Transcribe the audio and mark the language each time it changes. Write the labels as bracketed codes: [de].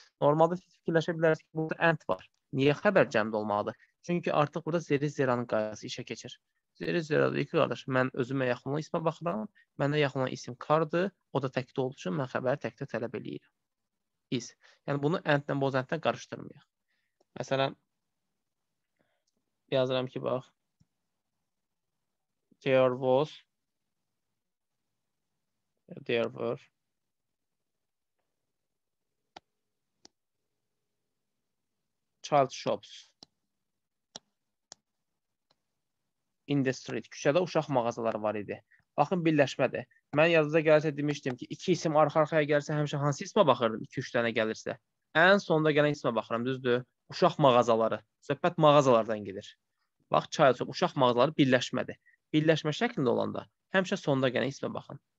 [az] Normalda siz fikirləşə bilərsiniz ki, burada and var. Niyə xəbər cəmdə olmalıdır? Çünki artıq burada zeri ziranın qayası işə keçir. Zeri zira deyir ki, qardaş, mən özümə yaxın olan ismə baxıram, məndə yaxın olan isim kardır, o da təkdə olduğu üçün mən xəbəri təkdə tələb eləyirəm. Is. Yəni bunu and-lə boz and-lə qarışdırmayaq. Məsələn, yazıram ki, bax, [en] there was, there were child shops in the street. [az] Küçədə uşaq mağazaları var idi. Baxın, birləşmədir. Mən yazıda gəlsə demişdim ki, iki isim arxa-arxaya gəlsə həmişə hansı ismə baxırdım? 2-3 dənə gəlirsə. Ən sonda gələn ismə baxıram, düzdür. Uşaq mağazaları. Söhbət mağazalardan gedir. Bax, child shop, uşaq mağazaları birləşmədir. Birləşmə şəklində olanda həmişə sonda gələn ismə baxın.